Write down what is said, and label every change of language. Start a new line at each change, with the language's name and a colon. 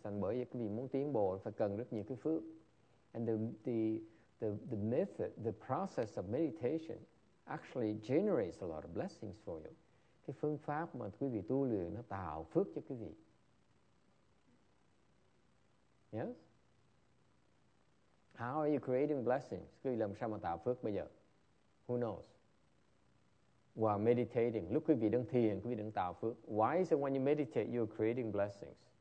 Vietnamese: Thành bởi vì muốn tiến bộ phải cần rất nhiều cái phước.
English: And the method, the process of meditation actually generates a lot of blessings for you.
Vietnamese: Cái phương pháp mà quý vị tu luyện nó tạo phước cho quý vị.
English: Yes? How are you creating blessings?
Vietnamese: Quý vị làm sao mà tạo phước bây giờ?
English: Who knows?
Vietnamese: While meditating, lúc quý vị đang thiền, quý vị đang tạo phước.
English: Why is it when you meditate, you're creating blessings?